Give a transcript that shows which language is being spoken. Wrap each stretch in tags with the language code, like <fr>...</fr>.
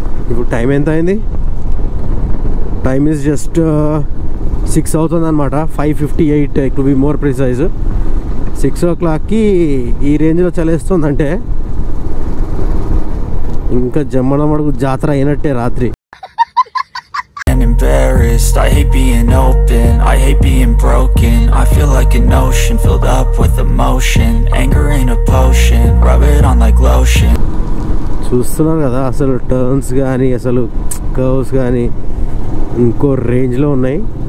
<te>ఇప్పుడు టైం ఎంత అయింది?</te> <en>time is just</en> <te>6 అవుతుంది అన్నమాట, 5:58</te> <en>To be more precise.</en> <te>6:00కి ఈ రేంజ్లో చలేస్తుంది అంటే ఇంకా జమ్మడమడుగు జాతర అయినట్టే రాత్రి.</te> <en>Embarrassed, I hate being open, I hate being broken, I feel like an ocean filled up with emotion, anger ain't a potion, rub it on like lotion.</en> <te>చూస్తున్నారు కదా అసలు టర్న్స్ కానీ అసలు కర్వ్స్ కానీ ఇంకో రేంజ్లో ఉన్నాయి.</te>